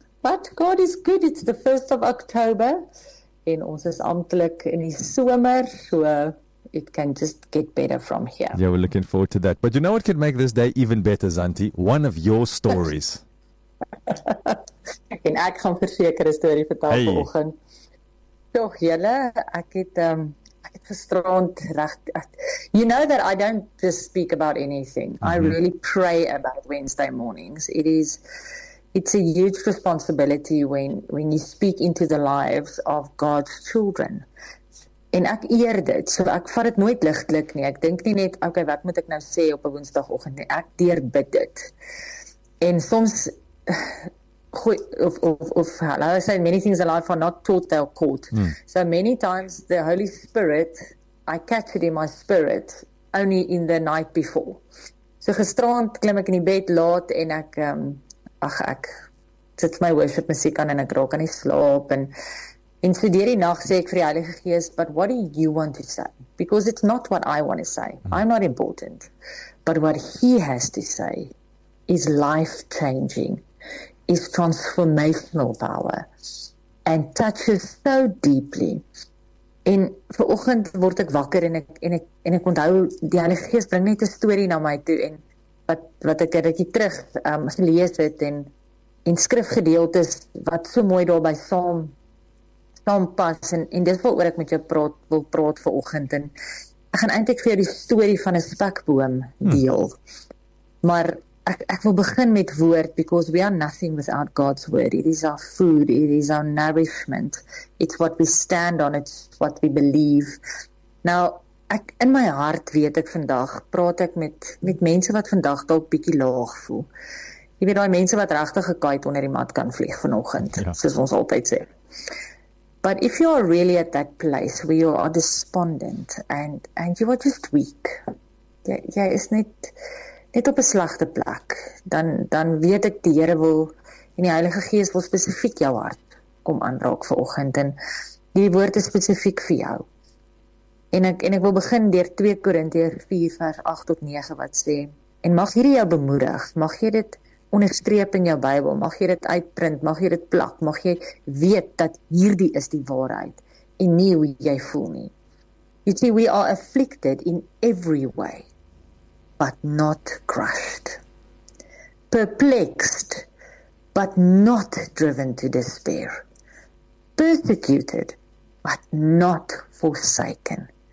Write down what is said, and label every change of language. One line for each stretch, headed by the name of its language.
English: But God is good, it's the 1st of October.
Afrikaans: En ons is amptelik in die somer, so
English: it can just get better from here. Yeah, we're looking forward to that. But you know what could make this day even better, Zanti? One of your stories.
Afrikaans: En ek gaan verseker 'n storie vertel vanoggend. Toch, julle, ek het gisterand reg.
English: You know that I don't just speak about anything. Mm-hmm. I really pray about Wednesday mornings. It's a huge responsibility when you speak into the lives of God's children.
Afrikaans: En ek eer dit, so ek vat dit nooit ligtelik nie. Ek dink nie net, okay, wat moet ek nou sê op 'n woensdagoggend nie. Ek deurbid dit. En soms, of hulle sê,
English: many things alive are not taught, they are caught. Mm. So many times, the Holy Spirit, I catch it in my spirit, only in the night before.
Afrikaans: So gisterand klim ek in die bed laat, en ek, ek sit my worship muziek aan, en ek raak aan die slaap, en so deur die nag sê ek vir die Heilige Gees,
English: but what do you want to say? Because it's not what I want to say. I'm not important. But what he has to say is life-changing, is transformational power, and touches so deeply.
Afrikaans: En vir oggend word ek wakker en ek onthou, die Heilige Gees bring net 'n story na my toe, en wat ek het ekie terug gelees het, en skrifgedeeltes wat so mooi daarby saam, pas, en dit is wat oor ek met jou wil praat vir oggend, en ek gaan eintlik vir jou die story van 'n spekboom deel, maar ek wil begin met woord,
English: because we are nothing without God's word. It is our food, it is our nourishment, it's what we stand on, it's what we believe.
Afrikaans: Nou, ek, in my hart weet ek vandag, praat ek met mense wat vandag dalk bietjie laag voel. Jy weet, daai mense wat regtig gekyk onder die mat kan vlieg vanoggend, ja. Soos ons altyd sê.
English: But if you are really at that place where you are despondent and you are just weak,
Afrikaans: jy is net op 'n slegte plek, dan weet ek die Here wil, en die Heilige Gees wil spesifiek jou hart kom aanraak vanoggend, en die woord is spesifiek vir jou. En ek wil begin deur 2 Korintiërs 4 vers 8 tot 9 wat sê, en mag hierdie jou bemoedig, mag jy dit onderstreep in jou Bybel, mag jy dit uitprint, mag jy dit plak, mag jy weet dat hierdie is die waarheid en nie hoe jy voel nie.
English: You see, we are afflicted in every way, but not crushed. Perplexed, but not driven to despair. Persecuted, but not forsaken.